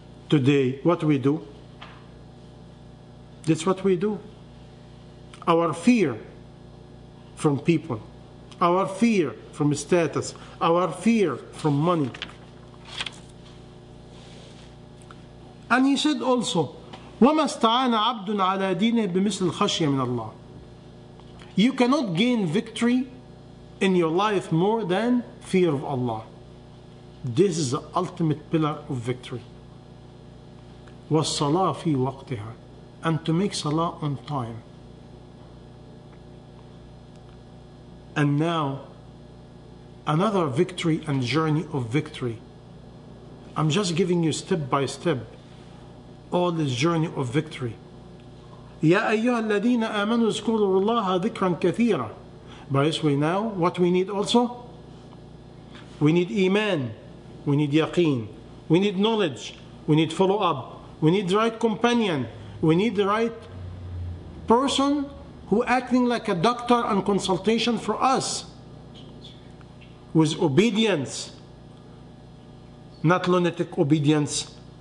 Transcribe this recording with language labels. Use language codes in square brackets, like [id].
[en] Today, what we do? That's what we do. Our fear from people, our fear from status, our fear from money. And he said also, [ar] وَمَا اسْتَعَانَ عَبْدٌ عَلَى دِينِهِ بِمِثْلِ الْخَشْيَةِ مِنَ اللَّهِ. [en] You cannot gain victory in your life more than fear of Allah. This is the ultimate pillar of victory. [ar] وَالصَّلَاةِ فِي وَقْتِهَا. [en] And to make salah on time. And now, another victory and journey of victory. I'm just giving you step by step all this journey of victory. [ar] يا أيها الذين آمنوا اذكروا الله ذكرا كثيرا. [en] By this way now, what we need also? We need iman, we need yaqeen, we need knowledge, we need follow up, we need the right companion, we need the right person who acting like a doctor and consultation for us with obedience, not lunatic obedience.